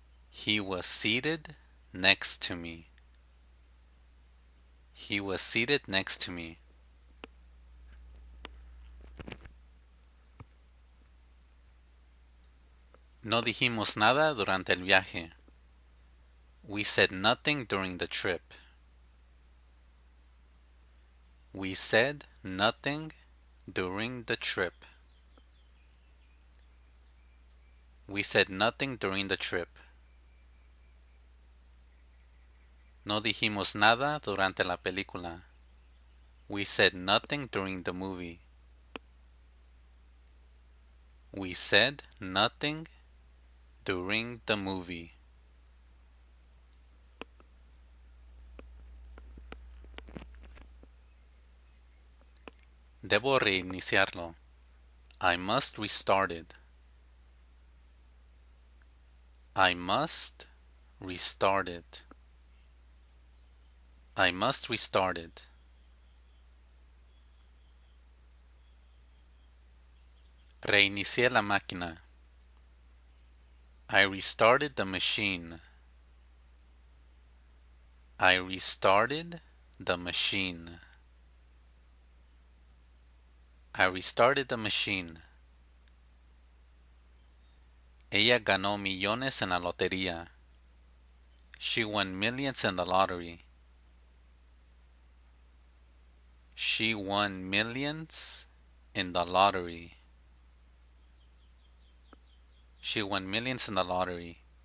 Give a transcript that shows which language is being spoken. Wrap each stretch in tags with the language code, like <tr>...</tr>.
<en>He was seated next to me. He was seated next to me.</en> <es>No dijimos nada durante el viaje.</es> <en>We said nothing during the trip. We said nothing during the trip. We said nothing during the trip.</en> <es>No dijimos nada durante la película.</es> <en>We said nothing during the movie. We said nothing during the movie.</en> <es>Debo reiniciarlo.</es> <en>I must restart it. I must restart it. I must restart it.</en> <es>Reinicié la máquina.</es> <en>I restarted the machine. I restarted the machine. I restarted the machine.</en> <es>Ella ganó millones en la lotería.</es> <en>She won millions in the lottery. She won millions in the lottery. She won millions in the lottery.</en>